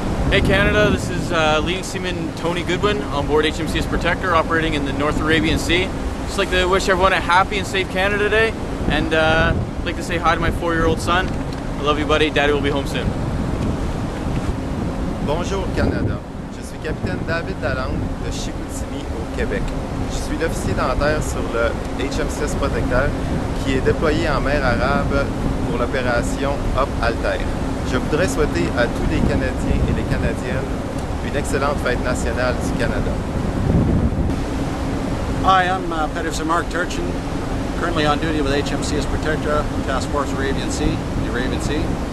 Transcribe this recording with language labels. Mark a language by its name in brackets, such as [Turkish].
[English] Hey Canada, this is leading seaman Tony Goodwin on board HMCS Protector operating in the North Arabian Sea. Just like to wish everyone a happy and safe Canada Day, and like to say hi to my four-year-old son. I love you buddy, daddy will be home soon. [French] Bonjour Canada, je suis capitaine David Lalande de Chicoutimi au Québec. Je suis l'officier dentaire sur le HMCS Protector qui est déployé en mer arabe pour l'opération Op Altair. Je voudrais souhaiter à tous les Canadiens et les Canadiennes une excellente fête nationale du Canada. [English] Hi, I'm Peterson Mark Turchin, currently on duty with HMCS Protector, Task Force Arabian Sea, the Arabian Sea.